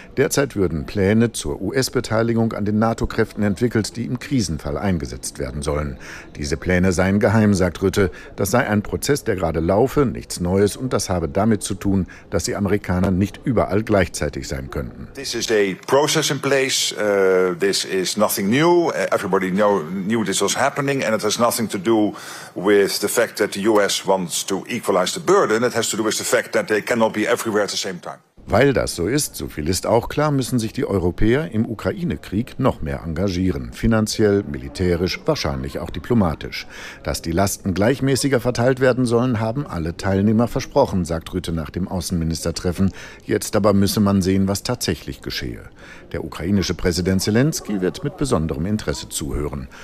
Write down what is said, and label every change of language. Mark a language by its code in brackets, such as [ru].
[de] Derzeit würden Pläne zur US-Beteiligung an den NATO-Kräften entwickelt, die im Krisenfall eingesetzt werden sollen. Diese Pläne seien geheim, sagt Rutte. Das sei ein Prozess, der gerade laufe, nichts Neues, und das habe damit zu tun, dass die Amerikaner nicht überall gleichzeitig sein könnten. [en] This is a process in place. This is nothing new. Everybody knew this was happening and it has nothing to do with the fact that the US wants to equalize the burden. It has to do with the fact that they cannot be everywhere at the same time. [de] Weil das so ist, so viel ist auch klar, müssen sich die Europäer im Ukraine-Krieg noch mehr engagieren. Finanziell, militärisch, wahrscheinlich auch diplomatisch. Dass die Lasten gleichmäßiger verteilt werden sollen, haben alle Teilnehmer versprochen, sagt Rutte nach dem Außenministertreffen. Jetzt aber müsse man sehen, was tatsächlich geschehe. Der ukrainische Präsident Zelensky wird mit besonderem Interesse zuhören.